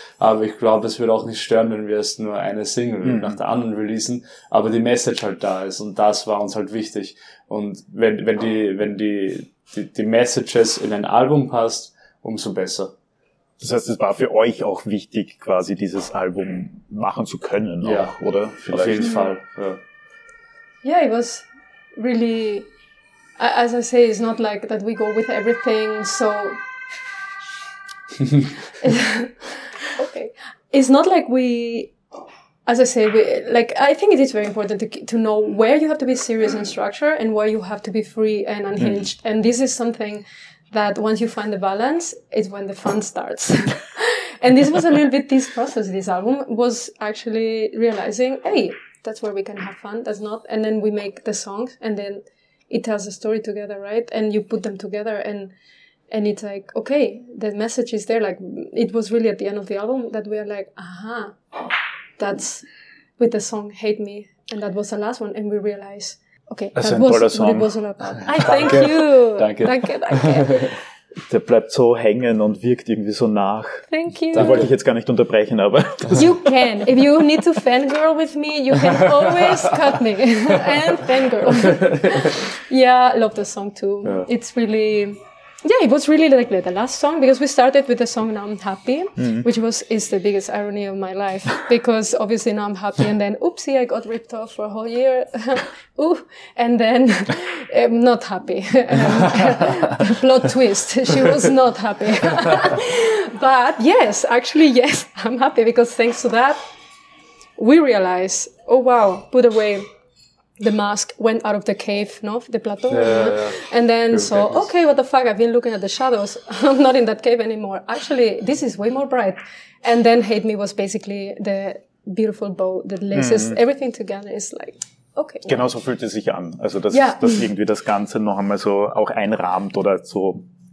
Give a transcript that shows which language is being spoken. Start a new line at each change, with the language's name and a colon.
German: Aber ich glaube, es würde auch nicht stören, wenn wir erst nur eine Single nach der anderen releasen, aber die Message halt da ist. Und das war uns halt wichtig. Und wenn die Messages in ein Album passt, umso besser. Das heißt, es war für euch auch wichtig, quasi dieses Album machen zu können, ja, auch, oder? Vielleicht. Auf jeden Fall.
English: Yeah. Yeah, it was really, as I say, it's not like that we go with everything, so. Okay. It's not like we, as I say, I think it is very important to know where you have to be serious and structured and where you have to be free and unhinged. And this is something that once you find the balance, it's when the fun starts. And this was a little bit this process, this album, was actually realizing, hey, that's where we can have fun, that's not. And then we make the songs, and then it tells a story together, right? And you put them together, and it's like, okay, the message is there. Like, it was really at the end of the album that we are like, aha, that's with the song Hate Me. And that was the last one, and we realize, okay, also that was all about. I thank you.
German: Danke. Danke, danke. Der bleibt so hängen und wirkt irgendwie so nach.
English: Thank you.
German: Da wollte ich jetzt gar nicht unterbrechen, aber.
English: You can. If you need to fangirl with me, you can always cut me. And fangirl. Yeah, love the song too. Yeah. It's really, yeah, it was really like the last song, because we started with the song Now I'm Happy, which is the biggest irony of my life, because obviously Now I'm Happy, and then, oopsie, I got ripped off for a whole year, ooh, and then I'm not happy. Plot twist, she was not happy. But yes, actually, yes, I'm happy, because thanks to that, we realize, oh, wow, put away the mask, went out of the cave, no, the plateau, yeah, yeah, yeah. And then saw, okay, what the fuck, I've been looking at the shadows, I'm not in that cave anymore, actually, this is way more bright, and then Hate Me was basically the beautiful bow that laces everything together, is like, okay.
German: Genau, so fühlt es sich an, also das, yeah, das irgendwie das Ganze noch einmal so auch einrahmt oder so